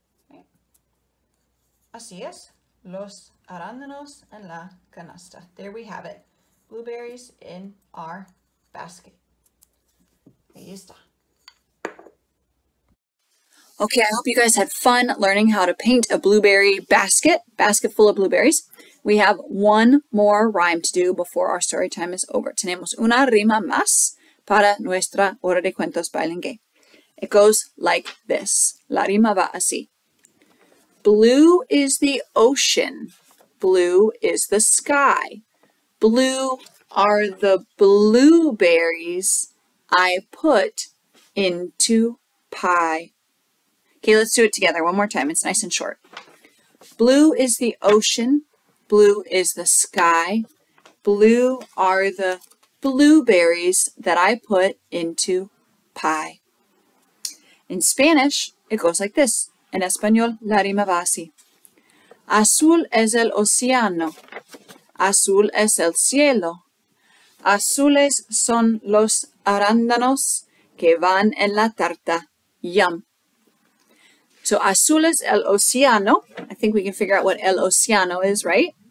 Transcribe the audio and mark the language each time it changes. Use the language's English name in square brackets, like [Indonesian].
[Spanish] Right? Así es. Los arándanos en la canasta. [English] There we have it. Blueberries in our basket. [Spanish] Ahí está. [English] Okay, I hope you guys had fun learning how to paint a blueberry basket, full of blueberries. We have one more rhyme to do before our story time is over. [Spanish] Tenemos una rima más para nuestra hora de cuentos bilingüe. [English] It goes like this. [Spanish] La rima va así. [English] Blue is the ocean. Blue is the sky. Blue are the blueberries I put into pie. Okay, let's do it together one more time. It's nice and short. Blue is the ocean. Blue is the sky. Blue are the blueberries that I put into pie. In Spanish, it goes like this. [Spanish] En español, la rima va así. Azul es el océano. Azul es el cielo. Azules son los arándanos que van en la tarta. Yum. So, azul es el océano. [English] I think we can figure out what el océano is, right?